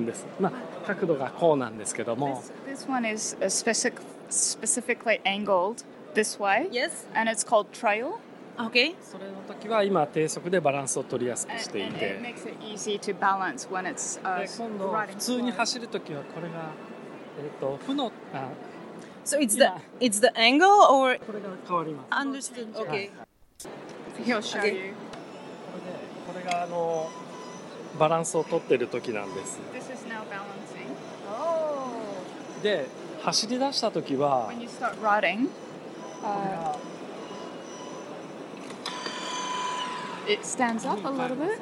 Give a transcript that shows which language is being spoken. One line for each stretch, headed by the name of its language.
Japanese: 専門用語、トレール調が正のプラスの正のトレール調というのを使ってるんです。まあ角度がこうなんですけども。
English: This one is specifically angled this way. Yes. And it's called trail. Okay.
Japanese: それの時は今低速でバランスを取りやすくしていて。
English: And it makes it easy to balance when it's riding.
Japanese: 今度普通に走る時はこれが負の。
English: So it's the angle or?
Japanese: これが変わります。
English: Understood. Okay. He'll show you.
Japanese: これがバランスを取ってる時なんです。
English: This is now balancing. Oh.
Japanese: で、走り出した時は
English: When you start riding, it stands up a little bit.